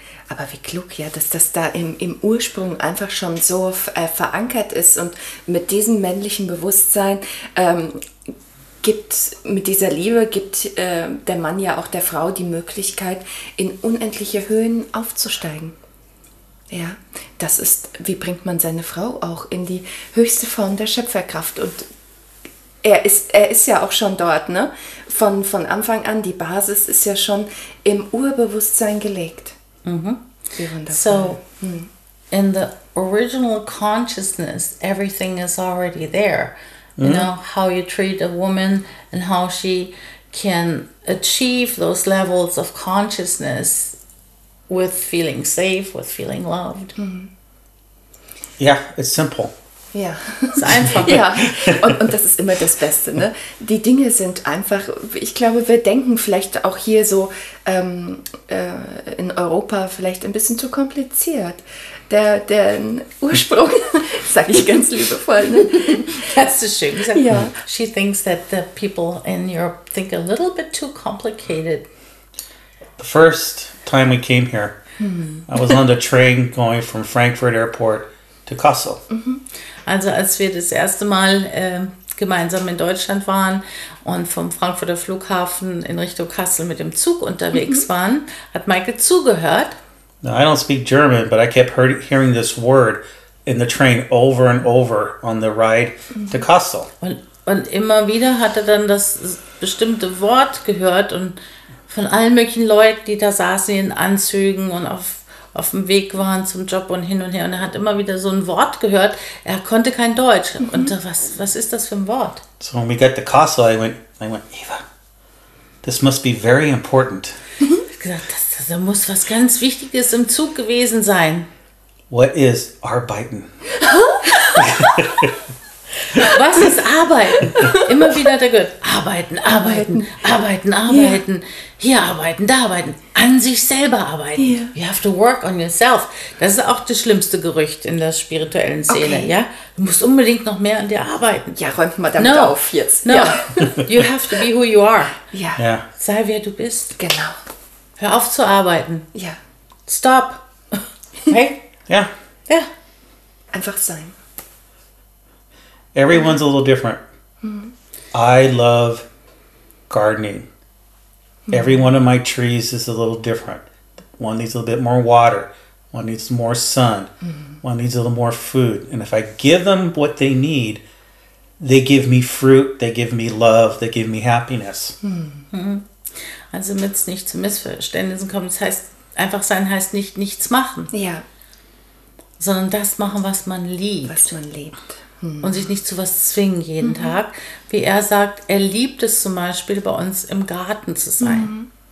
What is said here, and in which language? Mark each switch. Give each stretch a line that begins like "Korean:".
German: Aber wie klug, ja, dass das da im Ursprung einfach schon so verankert ist und mit diesem männlichen Bewusstsein gibt, mit dieser Liebe gibt der Mann ja auch der Frau die Möglichkeit, in unendliche Höhen aufzusteigen. Ja, das ist, wie bringt man seine Frau auch in die höchste Form der Schöpferkraft. Und er ist ja auch schon dort, ne? Von Anfang an, die Basis ist ja schon im Urbewusstsein gelegt. Mm-hmm.
English: So, in the original consciousness, everything is already there. Mm-hmm. You know, how you treat a woman and how she can achieve those levels of consciousness with feeling safe, with feeling loved. Mm-hmm. Yeah, it's simple.
German: Ja, ist einfach. Ja, und das ist immer das Beste, ne? Die Dinge sind einfach, ich glaube, wir denken vielleicht auch hier so in Europa vielleicht ein bisschen zu kompliziert. Der Ursprung, sage ich ganz liebevoll, ne? Das ist schön gesagt. Ja.
English: She thinks that the people in Europe think a little bit too complicated. The first time we came here, I was on the train going from Frankfurt Airport to Kassel.
German: Also als wir das erste Mal gemeinsam in Deutschland waren und vom Frankfurter Flughafen in Richtung Kassel mit dem Zug unterwegs waren, hat Michael zugehört.
English: Now, I don't speak German, but I kept hearing this word in the train over and over on the ride to Kassel.
German: Und immer wieder hat er dann das bestimmte Wort gehört und von allen möglichen Leuten, die da saßen in Anzügen und auf dem Weg waren zum Job und hin und her. Und er hat immer wieder so ein Wort gehört. Er konnte kein Deutsch. Mm-hmm. Und was ist das für ein Wort?
English: So when we got to Kassel, I went, Eva, this must be very important.
German: Ich hab gesagt, das muss was ganz Wichtiges im Zug gewesen sein.
English: What is arbeiten?
German: Was ist arbeiten? Immer wieder hat er gehört, arbeiten. Yeah. Hier arbeiten, da arbeiten, an sich selber arbeiten. Yeah.
English: You have to work on yourself.
German: Das ist auch das schlimmste Gerücht in der spirituellen Szene. Okay. Ja? Du musst unbedingt noch mehr an dir arbeiten. Ja, räumt mal damit auf jetzt.
English: No,
German: ja.
English: You have to be who you are.
German: Ja.
English: Yeah.
German: Sei, wer du bist. Genau. Hör auf zu arbeiten. Ja.
English: Stop. Hey?
German: Ja. Ja. Einfach sein.
English: Everyone's a little different. Mm-hmm. I love gardening. Every one of my trees is a little different. One needs a little bit more water. One needs more sun. Mm-hmm. One needs a little more food. And if I give them what they need, they give me fruit, they give me love, they give me happiness. Mm-hmm.
German: Also damit es nicht zu Missverständnissen kommt, das heißt, einfach sein heißt nicht nichts machen. Ja. Sondern das machen, was man liebt. Was man liebt. Und sich nicht zu was zwingen jeden Tag. Wie er sagt, er liebt es zum Beispiel, bei uns im Garten zu sein.